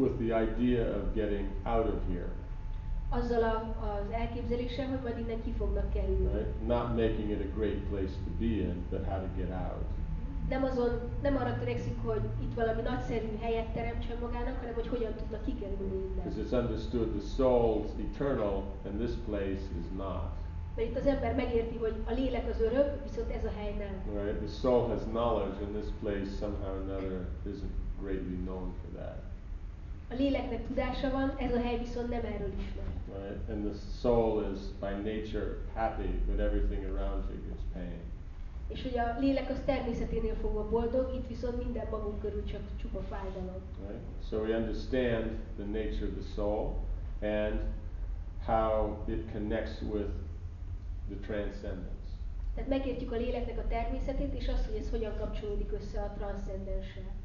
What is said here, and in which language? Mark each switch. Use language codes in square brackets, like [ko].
[en] With the idea of getting out of here. [hu] Azzal az elképzeléssel, hogy majd innen ki fognak kerülni. [en] Right? Not making it a great place to be in, but how to get out. [hu] Nem arra törekszik, hogy itt valami nagyszerű helyet teremtsen magának, hanem hogy hogyan tudnak kikerülni innen. [en] Because it's understood the soul's eternal, and this place is not. [hu] Mert itt az ember megérti, hogy a lélek az örök, viszont ez a hely nem. [en] Right, the soul has knowledge and this place somehow or another isn't greatly known for that. [hu] A léleknek tudása van, ez a hely viszont nem erről ismert. [en] Right, and the soul is by nature happy, but everything around you is pain. [hu] És hogy a lélek az természeténél fogva boldog, itt viszont minden magunk körül csak csupa fájdalom. [en] Right, so we understand the nature of the soul and how it connects with the transcendence. [hu] Tehát megértjük a léleknek a természetét és azt, hogy ez hogyan kapcsolódik össze a transzcendenssel.